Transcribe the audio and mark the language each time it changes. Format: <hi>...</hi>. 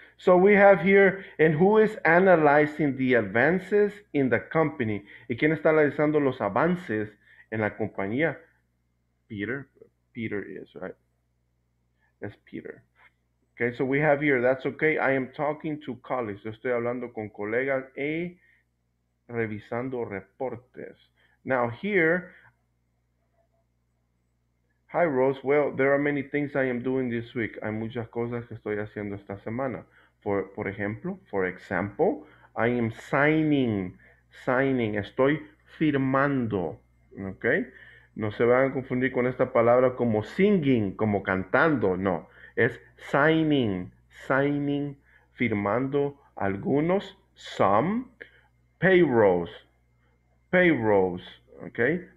<en>So we have here, and who is analyzing the advances in the company?</en> <es>¿Y quién está analizando los avances en la compañía?</es> <en>Peter is, right? That's Peter. Okay, so we have here, that's okay. I am talking to colleagues.</en> <es>Yo estoy hablando con colegas y revisando reportes.</es> <en>Now here, hi Rose, well, there are many things I am doing this week.</en> <es>Hay muchas cosas que estoy haciendo esta semana.</es> <en>For example, I am signing,</en> <es>estoy firmando, okay? No se van a confundir con esta palabra como singing, como cantando, no. Es signing, firmando algunos, some, payrolls, okay?</es>